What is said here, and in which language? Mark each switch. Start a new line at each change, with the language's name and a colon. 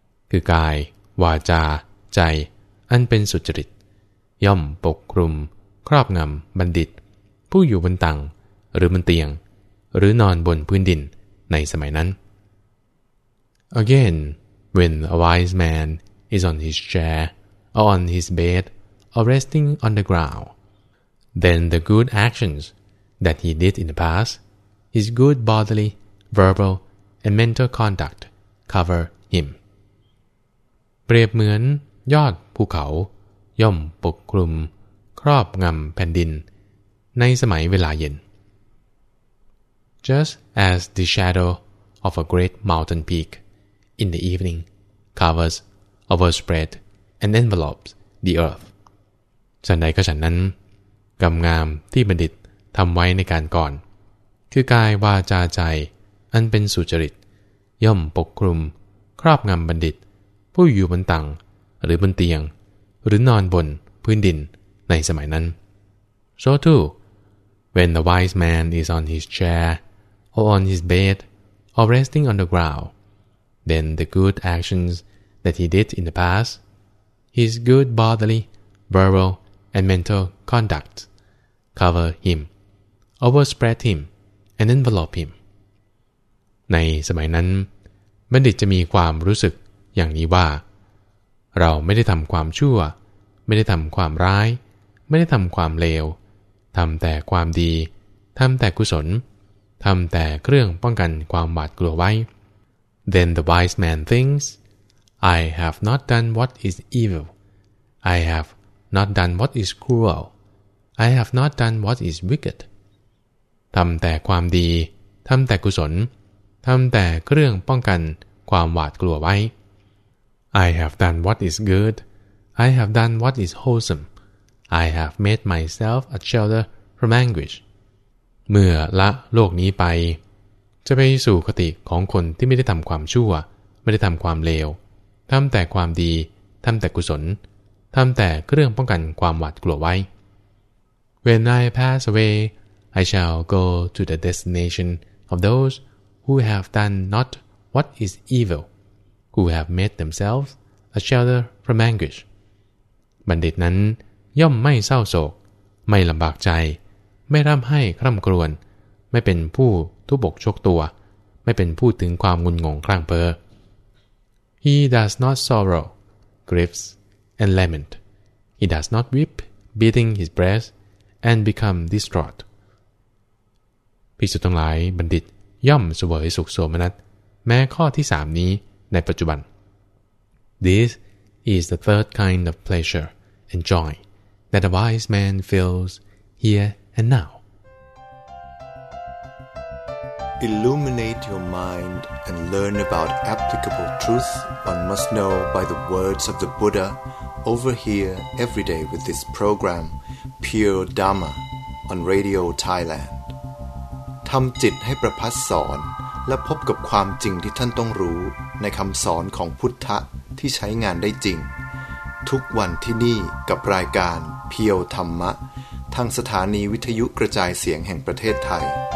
Thai: คือกายวาจาใจอันเป็นสุจริตย่อมปกคลุมครอบงำบัณฑิตผู้อยู่บนตังหรือบนเตียงหรือนอนบนพื้นดินในสมัยนั้น
English: Again, when a wise man is on his chair or on his bed or resting on the ground, then the good actions that he did in the past, his good bodily, verbal,and mental conduct cover him. เ
Thai: ปรียบเหมือนยอดภูเขาย่อมปกคลุมครอบงำแผ่นดินในสมัยเวลาเย็น
English: Just as the shadow of a great mountain peak in the evening covers, overspread, and envelopes the earth.
Thai: ฉันใดก็ฉันนั้นกำงามที่บัณฑิตทำไว้ในการก่อนคือกายวาจาใจอันเป็นสุจริตย่อมปกคลุมครอบงำบัณฑิตผู้อยู่บนตังหรือบนเตียงหรือนอนบนพื้นดินในสมัยนั้น
English: So too, when the wise man is on his chair or on his bed or resting on the ground, then the good actions that he did in the past, his good bodily, verbal, and mental conduct cover him, overspread him, and envelop him.
Thai: ในสมัยนั้นบัณฑิตจะมีความรู้สึกอย่างนี้ว่าเราไม่ได้ทำความชั่วไม่ได้ทำความร้ายไม่ได้ทำความเลวทำแต่ความดีทำแต่กุศลทำแต่เครื่องป้องกันความหวาดกลัวไว้
English: Then the wise man thinks I have not done what is evil I have not done what is cruel I have not done what is wicked
Thai: ทำแต่ความดีทำแต่กุศลทำแต่เรื่องป้องกันความหวาดกลัวไว้
English: I have done what is good I have done what is wholesome I have made myself a shelter from anguish
Thai: เมื่อละโลกนี้ไปจะไปสู่คติของคนที่ไม่ได้ทำความชั่วไม่ได้ทำความเลวทำแต่ความดีทำแต่กุศลทำแต่เรื่องป้องกันความหวาดกลัวไว้
English: When I pass away I shall go to the destination of thosewho have done not what is evil, who have made themselves a shelter from anguish.
Thai: บัณฑิตนั้นย่อมไม่เศร้าโศกไม่ลำบากใจไม่ร่ำไห้คร่ำครวญไม่เป็นผู้ทุบอกชกตัวไม่เป็นผู้ถึงความงุนงงคลั่งเพ้อ
English: He does not sorrow, grieves, and lament. He does not weep, beating his breast, and become distraught.
Thai: ภิกษุทั้งหลายบัณฑิตย่อมเสวยสุขโสมนัสแม้ข้อที่สามนี้ในปัจจุบัน
English: This is the third kind of pleasure and joy that a wise man feels here and now illuminate your mind and learn about applicable truth one must know by the words of the Buddha over here every day with this program Pure Dharma on Radio Thailand
Thai: ทำจิตให้ประพัสสอนและพบกับความจริงที่ท่านต้องรู้ในคำสอนของพุทธะที่ใช้งานได้จริงทุกวันที่นี่กับรายการเพียวธรรมะทางสถานีวิทยุกระจายเสียงแห่งประเทศไทย